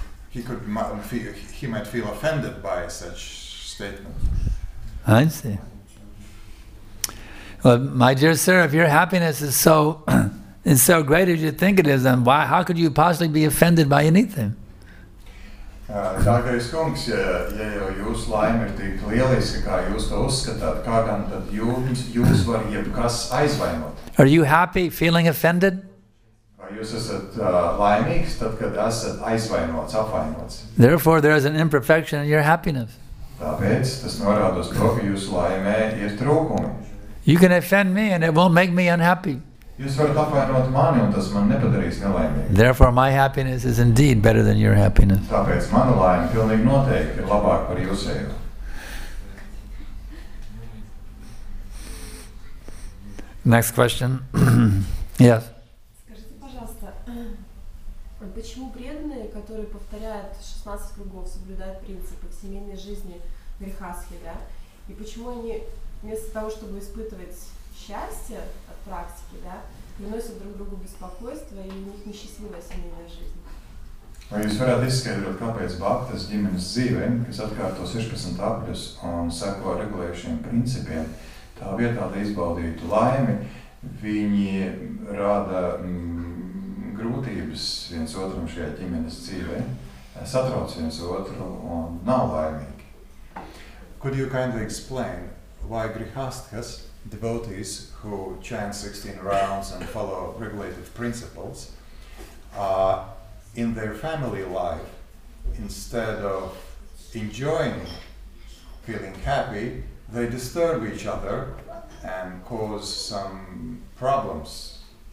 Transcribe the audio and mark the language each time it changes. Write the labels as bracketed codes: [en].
[en] He might feel offended by such statement. I see. Well, my dear sir, if your happiness is so is so great as you think it is, then why? How could you possibly be offended by anything? [lv] Dārgais kungs, ja jau jūsu laime ir tik lieliski, kā jūs to uzskatāt, kā gan tad jūs var jebkas aizvainot? [en] Are you happy feeling offended? [lv] Vai jūs esat laimīgs, tad, kad esat aizvainots, apvainots? [en] Therefore, there is an imperfection in your happiness. [lv] Tāpēc tas norāda uz to, ka jūsu laimē ir trūkumi. [en] You can offend me and it won't make me unhappy. [lv] Jūs varat apvainot mani un tas man nepadarīs nelaimīgu. [en] Therefore my happiness is indeed better than your happiness. [lv] Tāpēc mana laime pilnīgi noteikti ir labāka par jūsējo. [en] Next question. Yes. [ru] Скажите, пожалуйста, почему преданные, которые повторяют 16 кругов, соблюдают принципы в семейной жизни грехасхи, да? И почему они вместо того, чтобы испытывать счастье от практики, да, приносят друг другу беспокойство и у них несчастливая семейная жизнь? [lv] Vai jūs varētu izskaidrot, kāpēc Baktas ģimenes dzīvēm, kas atkārto 16 apļus un seko regulējušiem principiem, tā vietā, lai izbaudītu laimi, viņi rada grūtības viens otram šajā ģimenes dzīvē, satrauc viens otru un nav laimīgi. [en] Could you kindly explain why grihasthas, devotees who chant 16 rounds and follow regulative principles, in their family life, instead of enjoying, feeling happy, they disturb each other and cause some problems.